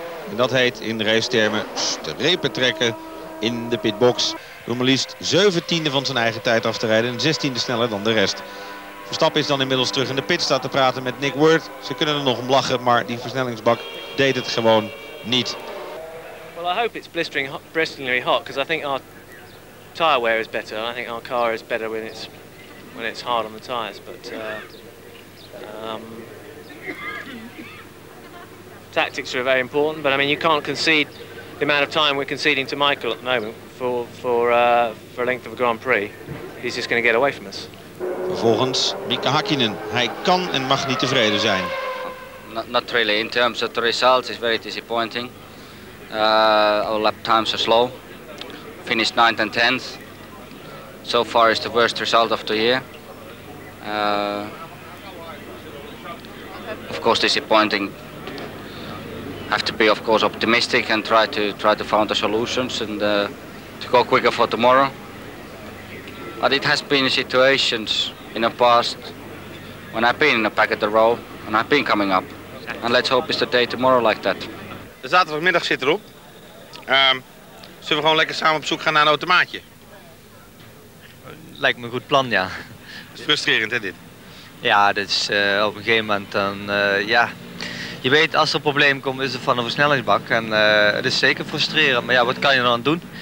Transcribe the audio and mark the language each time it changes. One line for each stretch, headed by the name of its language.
Dutch: En dat heet in racetermen strepen trekken in de pitbox. Door maar liefst 17e van zijn eigen tijd af te rijden en 16e sneller dan de rest. Verstappen is dan inmiddels terug in de pit, staat te praten met Nick Wirth. Ze kunnen er nog om lachen, maar die versnellingsbak deed het gewoon niet.
English: Well, I hope it's blisteringly hot, because I think our tire wear is better. I think our car is better when it's hard on the tires. But tactics are very important. But I mean, you can't concede the amount of time we're conceding to Michael at the moment for a length of a Grand Prix. He's just going to get away from us.
Dutch: Vervolgens Mika Hakkinen. Hij kan en mag niet tevreden zijn.
English: Not really. In terms of the results, it's very disappointing. Our lap times are slow. Finished 9th and 10th. So far is the worst result of the year. Of course disappointing. Have to be of course optimistic and try to find the solutions and to go quicker for tomorrow. But it has been situations in the past when I've been in the back of the row and I've been coming up. And let's hope it's the day tomorrow like that.
Dutch: De zaterdagmiddag zit erop. Zullen we gewoon lekker samen op zoek gaan naar een automaatje? Lijkt me een goed plan, ja. Dat is frustrerend, hè, dit? Ja, dus op een gegeven moment dan, ja. Je weet, als er een probleem komt, is het van een versnellingsbak. En het is zeker frustrerend, maar ja, wat kan je dan doen?